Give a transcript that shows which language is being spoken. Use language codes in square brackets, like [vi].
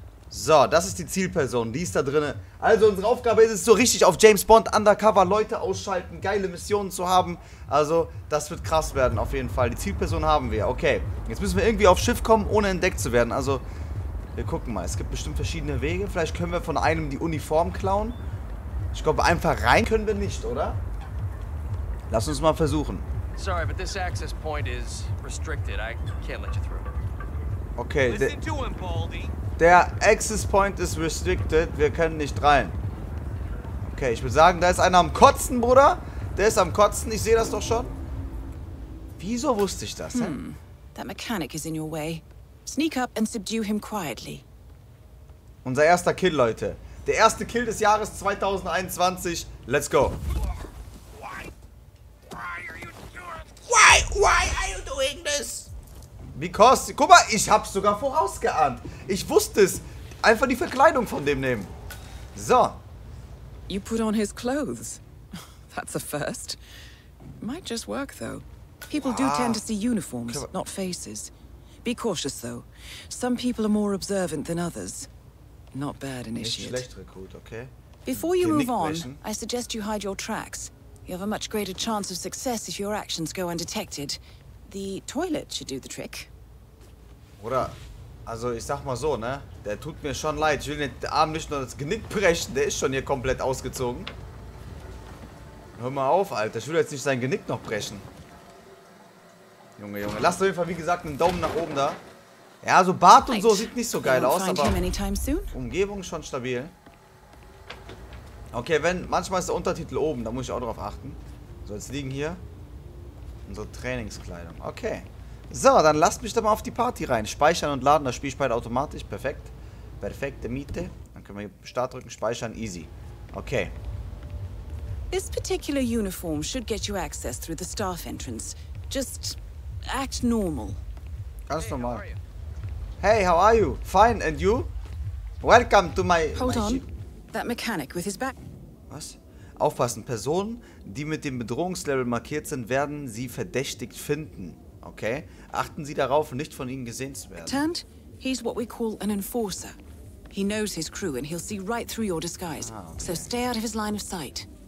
[de] So, das ist die Zielperson, die ist da drinne. Also unsere Aufgabe ist es so richtig auf James Bond Undercover Leute ausschalten, geile Missionen zu haben. Also das wird krass werden auf jeden Fall. Die Zielperson haben wir, okay. Jetzt müssen wir irgendwie aufs Schiff kommen, ohne entdeckt zu werden. Also wir gucken mal, es gibt bestimmt verschiedene Wege. Vielleicht können wir von einem die Uniform klauen. Ich glaube einfach rein können wir nicht, oder? Lass uns mal versuchen. [en] Sorry, but this access point is restricted. I can't let you through. Okay, listen to him, Baldy. [de] Der Access Point ist restricted. Wir können nicht rein. Okay, ich würde sagen, da ist einer am Kotzen, Bruder. Der ist am Kotzen. Ich sehe das doch schon. Wieso wusste ich das? Hm. [en] That mechanic is in your way. Sneak up and subdue him quietly. [de] Unser erster Kill, Leute. Der erste Kill des Jahres 2021. [en] Let's go. Why are you doing this? Because, [de] guck mal, ich hab's sogar vorausgeahnt. Ich wusste es. Einfach die Verkleidung von dem nehmen. So. [en] You put on his clothes. That's a first. Might just work though. People do tend to see uniforms, not faces. Be cautious though. Some people are more observant than others. Not bad initiate. [de] Nicht schlecht, Rekrut, okay. [en] Before you move on, I suggest you hide your tracks. You have a much greater chance of success if your actions go undetected. The toilet should do the trick. [de] Oder, also ich sag mal so, ne? Der tut mir schon leid. Ich will den Arm nicht nur das Genick brechen. Der ist schon hier komplett ausgezogen. Hör mal auf, Alter. Ich will jetzt nicht sein Genick noch brechen. Junge, Junge. Lass auf jeden Fall, wie gesagt, einen Daumen nach oben da. Ja, so Bart und so sieht nicht so geil aus, aber Umgebung schon stabil. Okay, wenn, manchmal ist der Untertitel oben. Da muss ich auch drauf achten. So, jetzt liegen hier unsere Trainingskleidung. Okay. So, dann lasst mich da mal auf die Party rein. Speichern und laden. Das Spiel speichert automatisch. Perfekt. Perfekte Miete. Dann können wir Start drücken. Speichern. Easy. Okay. [en] This particular uniform should get you access through the staff entrance. Just act normal. [de] Ganz normal. [en] Hey, how are you? Fine, and you? Welcome to my... Hold on. That mechanic with his back... [de] Was? Aufpassen, Personen, die mit dem Bedrohungslevel markiert sind, werden sie verdächtigt finden. Okay? Achten Sie darauf, nicht von ihnen gesehen zu werden. [en] Turned, he's what we call an enforcer. He knows his crew and he'll see right through your disguise. Ah, okay. So stay out of his line of sight.